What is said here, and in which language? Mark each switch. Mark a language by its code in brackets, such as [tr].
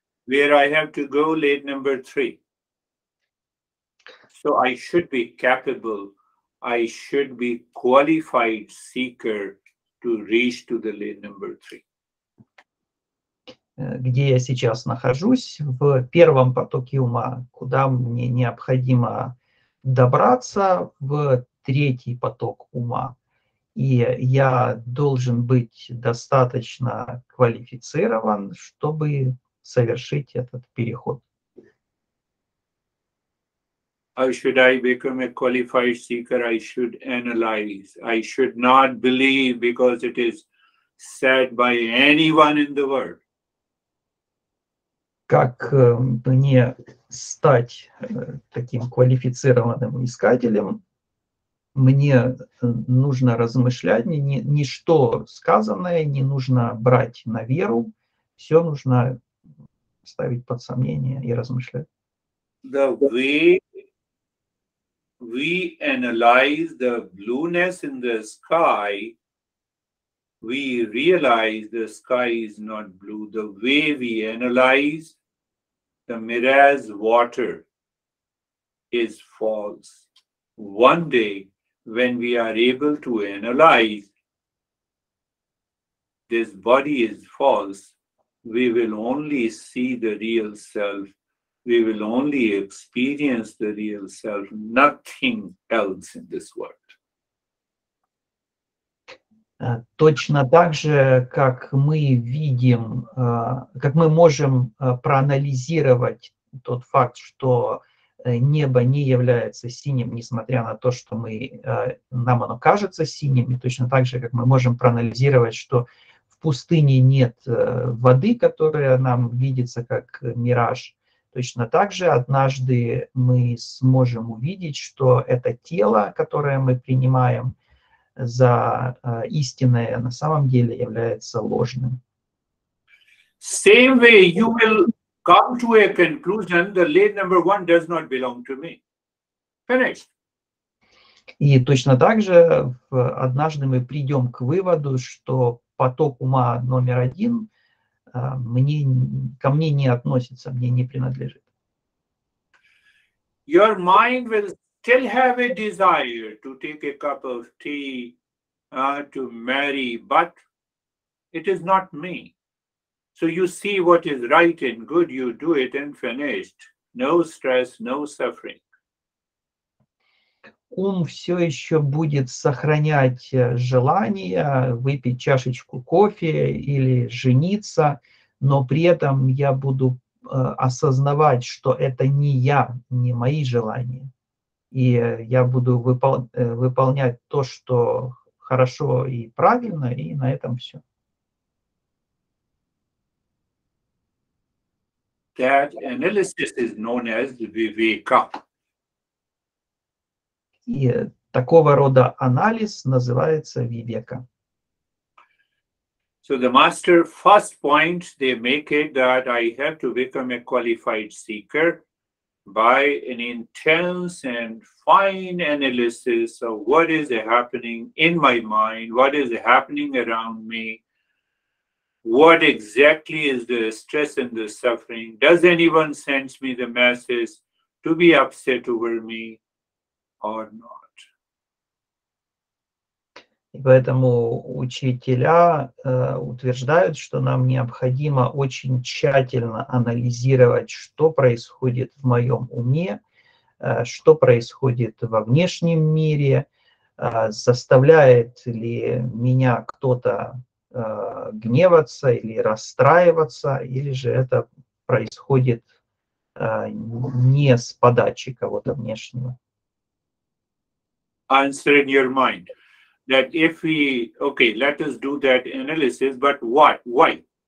[en] Where I have to go, lane number three. So I should be capable, I should be qualified seeker to reach to the lane number three. [ru] Где я сейчас нахожусь, в первом потоке ума, куда мне необходимо добраться, в третий поток ума. И я должен быть достаточно квалифицирован, чтобы совершить этот переход. [en] How should I become a qualified seeker? I should analyze. I should not believe because it is said by anyone in the world. [ru] Как мне стать таким квалифицированным искателем? Мне нужно размышлять, ничто сказанное не нужно брать на веру, все нужно ставить под сомнение и размышлять. [en] The way we analyze the blueness in the sky, we realize the sky is not blue. The way we analyze the mirage water is false. One day, when we are able to analyze this body is false, we will only see the real self. We will only experience the real self, nothing else in this world. [ru] Точно так же, как мы видим, как мы можем проанализировать тот факт, что небо не является синим, несмотря на то, что мы, нам оно кажется синим, и точно так же, как мы можем проанализировать, что в пустыне нет воды, которая нам видится как мираж, точно так же однажды мы сможем увидеть, что это тело, которое мы принимаем за истинное, на самом деле является ложным. [en] Same way you will come to a conclusion, the lane number one does not belong to me. Finished. [ru] И точно так же однажды мы придем к выводу, что поток ума номер один ко мне не относится, мне не принадлежит. [en] Your mind will still have a desire to take a cup of tea, to marry, but it is not me. So you see what is right and good, you do it and finished. No stress, no suffering. [ru] Ум все еще будет сохранять желание выпить чашечку кофе или жениться, но при этом я буду осознавать, что это не я, не мои желания. И я буду выполнять то, что хорошо и правильно, и на этом все. [en] That analysis is known as Viveka. [ru] И такого рода анализ называется Viveka. [en] So the master first point they make it that I have to become a qualified seeker by an intense and fine analysis of what is happening in my mind, what is happening around me, what exactly is the stress and the suffering, does anyone sense me the message to be upset over me or not. [ru] Поэтому учителя утверждают, что нам необходимо очень тщательно анализировать, что происходит в моем уме, что происходит во внешнем мире, заставляет ли меня кто-то гневаться или расстраиваться, или же это происходит не с подачи кого-то внешнего. [en] Answer in your mind. That if we, okay, let us do that analysis, but what, why?